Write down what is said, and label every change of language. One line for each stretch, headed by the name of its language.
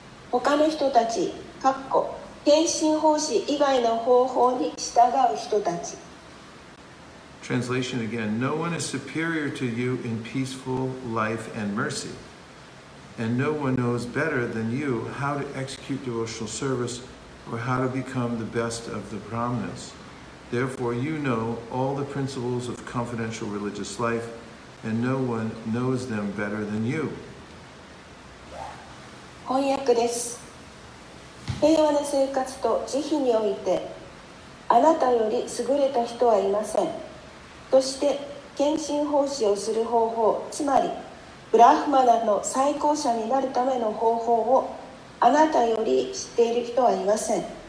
Japanese: 他の人たち、かっこ、献身奉仕以外の方法に従う人たち。
English: Translation again. No one is superior to you in peaceful life and mercy. And no one knows better than you how to execute devotional service or how to become the best of the brahmanas. Therefore, you know all the principles of confidential religious life, and no one knows them better than you.
Japanese: 翻訳です。平和な生活と慈悲において、あなたより優れた人はいません。として、献身奉仕をする方法、つまり、ブラフマナの最高者になるための方法を、あなたより知っている人はいません。